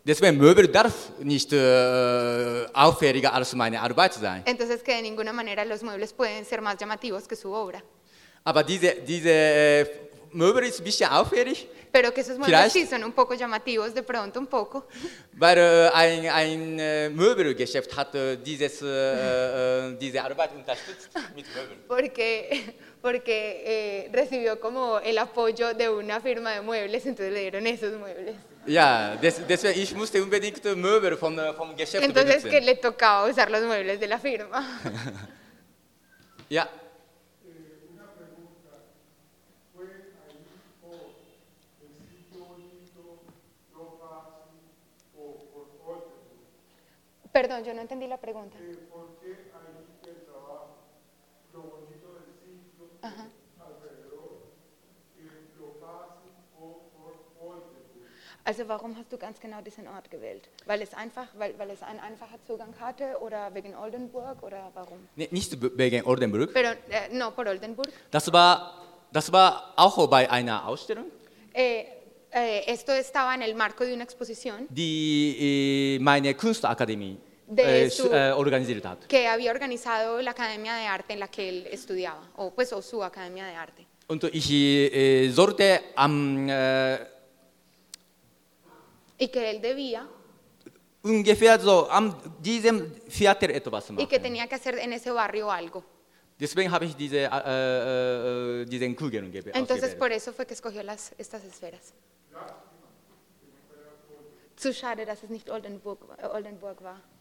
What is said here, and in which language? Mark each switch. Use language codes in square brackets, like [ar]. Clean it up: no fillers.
[de] Deswegen Möbel darf nicht auffälliger als meine Arbeit sein. [es] Entonces que de ninguna manera los muebles pueden ser más llamativos que su obra. [de] Aber diese Möbel ist ein bisschen auffällig. [es] Pero que esos muebles [de] vielleicht. [es] Sí son un poco llamativos, de pronto un poco. [de] Weil ein Möbelgeschäft hat diese Arbeit unterstützt mit Möbel. [es] Porque recibió como el apoyo de una firma de muebles, entonces le dieron esos muebles. [de] Ja, deswegen ich musste unbedingt Möbel vom Geschäft benutzen. [es] Entonces que le tocaba usar los muebles de la firma. [de] Ja. [es] Perdón, yo no entendí la pregunta. Uh-huh. [de] Also warum hast du ganz genau diesen Ort gewählt? Weil es einfach, weil es einen einfachen Zugang hatte oder wegen Oldenburg oder warum? Nee, nicht wegen Oldenburg. [es] Pero, no, por Oldenburg. [de] Das war auch bei einer Ausstellung. [es] Esto estaba en el marco de una exposición. [de] Die meine Kunstakademie. [es] Que había organizado la academia de arte en la que él estudiaba o pues o su academia de arte. [de] Und ich sollte am [es] y que él debía [de] ungefähr so am diesem Theater etwas machen. [es] Y que tenía que hacer en ese barrio algo. [de] Deswegen habe ich diesen Kugeln ausgewählt. [es] Entonces por eso fue que escogió estas esferas. [de] Zu schade, dass es nicht Oldenburg war.